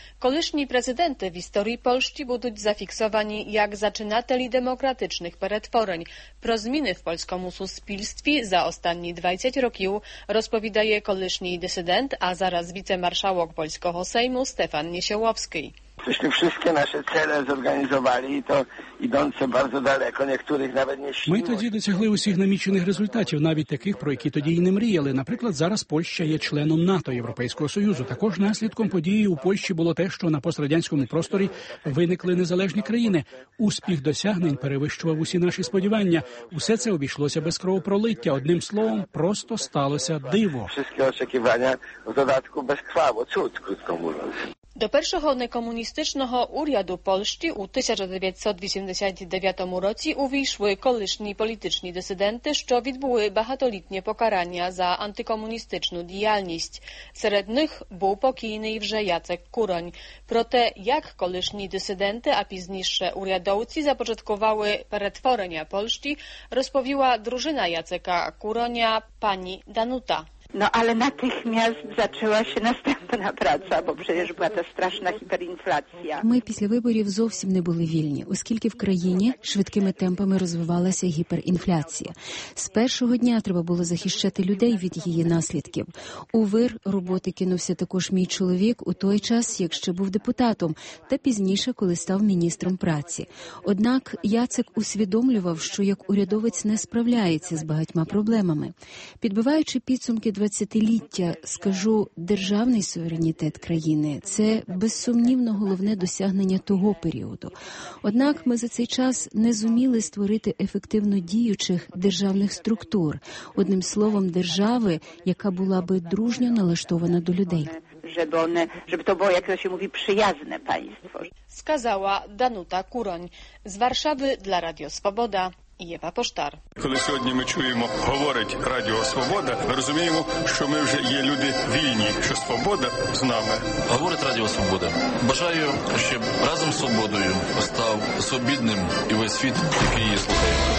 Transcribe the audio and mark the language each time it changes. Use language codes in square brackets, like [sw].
[uk] Колишні президенти в історії Польщі будуть зафіксовані як зачинателі демократичних перетворень. Про зміни в польському суспільстві за останні 20 років розповідає колишній дисидент, а зараз віцемаршалок польського сейму Стефан Niesiołowski. [pl] Myśmy wszystkie nasze cele zorganizowali i to idące bardzo daleko, niektórych nawet nie śniło. [uk] Ми тоді досягли усіх намічених результатів, навіть таких, про які тоді й не мріяли. Наприклад, зараз Польща є членом НАТО, Європейського Союзу. Також наслідком події у Польщі було те, що на пострадянському просторі виникли незалежні країни. Успіх досягнень перевищував усі наші сподівання. Усе це обійшлося без кровопролиття. Одним словом, просто сталося диво. [pl] Всі очікування в додатку без крові, цуд, крутко мовляв. [uk] До першого некомуністичного уряду Польщі у 1989 році увійшли колишні політичні дисиденти, що відбули багатолітнє покарання за антикомуністичну діяльність. Серед них був покійний вже Яцек Куроń. Проте як колишні дисиденти, а пізніше урядовці, започаткували перетворення Польщі, розповіла дружина Яцека Куроня, пані Danuta. [pl] No ale natychmiast zaczęła się następna praca, bo przecież była ta straszna hiperinflacja. [uk] Ми після виборів зовсім не були вільні, оскільки в країні швидкими темпами розвивалася гіперінфляція. З першого дня треба було захищати людей від її наслідків. У вир роботи кинувся також мій чоловік у той час, як ще був депутатом, та пізніше, коли став міністром праці. Однак Яцек усвідомлював, що як урядовець не справляється з багатьма проблемами. Підбиваючи підсумки 20-ліття, скажу, державний суверенітет країни – це безсумнівно головне досягнення того періоду. Однак ми за цей час не зуміли створити ефективно діючих державних структур. Одним словом, держави, яка була би дружньо налаштована до людей. [pl] Щоб то було, як то мові, приязне панство. [uk] Сказала Danuta Kuroń. З Варшави для Радіо Свобода. Єва Поштар. Коли сьогодні ми чуємо, говорить Радіо Свобода, ми розуміємо, що ми вже є люди вільні, що свобода з нами. Говорить Радіо Свобода. Бажаю, щоб разом з свободою став свобідним і весь світ, який її слухає.